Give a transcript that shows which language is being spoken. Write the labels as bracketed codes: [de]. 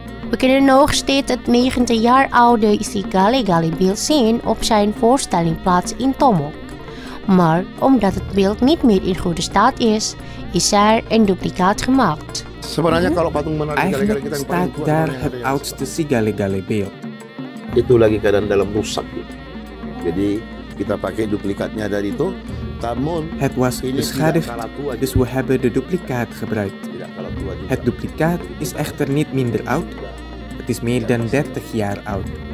[nl] We kunnen nog steeds het 90 jaar oude Sigale-gale beeld zien op zijn voorstellingplaats in Tomok. Maar omdat het beeld niet meer in goede staat is, is er een duplicaat gemaakt. Eigenlijk staat daar het oudste Sigale-gale beeld. [id] Itu lagi keadaan dalam rusak. Jadi kita pakai duplikatnya dari itu. [nl] Het was beschadigd, dus we hebben de duplicaat gebruikt. Het duplicaat is echter niet minder oud. Het is meer dan 30 jaar oud.